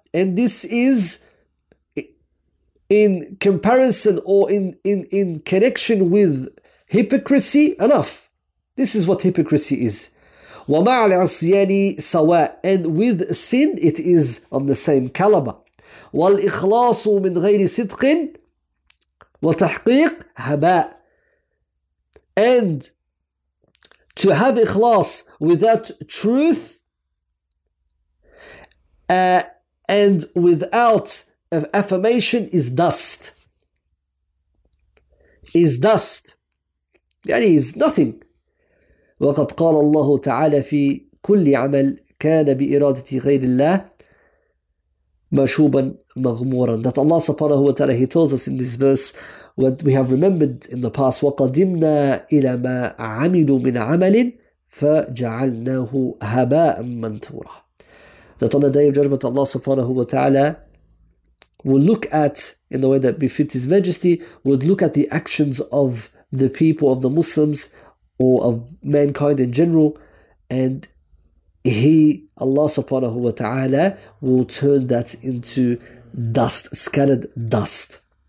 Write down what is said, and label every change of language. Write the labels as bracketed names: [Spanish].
[English] And this is in comparison or in connection with hypocrisy enough. This is what hypocrisy is. [Arabic] وَمَعَ الْعَصْيَانِ سَوَاءٌ. [English] And with sin, it is on the same caliber. [Arabic] والإخلاص من غير صدق وتحقيق هباء. [English] And to have ikhlas without truth and without affirmation is dust, yani, is nothing. [Arabic] وقد قال الله تعالى في كل عمل كان بإرادة غير الله مَشُوبًا مَغْمُورًا. [English] That Allah subhanahu wa ta'ala, he tells us in this verse what we have remembered in the past. [Arabic] وَقَدِمْنَا إِلَى مَا عَمِلُوا مِنْ عَمَلٍ فَجَعَلْنَاهُ هَبَاءً مَنْثُورًا. [English] That on the day of judgment, Allah subhanahu wa ta'ala will look at, in the way that befits His majesty, would look at the actions of the people, of the Muslims, or of mankind in general, and He, Allah subhanahu wa ta'ala, will turn that into dust, scattered dust.